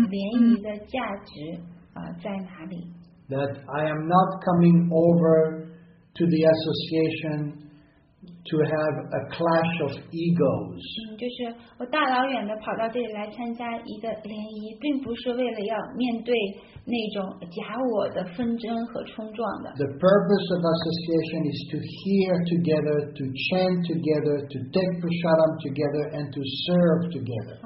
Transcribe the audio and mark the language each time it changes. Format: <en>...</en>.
<zh>但我觉得奉献者们呢，需要有很大的这个空间，需要去切实的努力，深入到这个念诵当中，深入到这个经典的这个学习当中，然后你才会更深的明白奉献者意味着什么，跟奉献者的联谊的价值在哪里。</zh> <en>That I am not coming over to the association to have a clash of egos.</en> <zh>就是我大老远的跑到这里来参加一个联谊，并不是为了要面对那种假我的纷争和冲撞的。</zh> <en>The purpose of association is to hear together, to chant together, to take prasadam together, and to serve together.</en>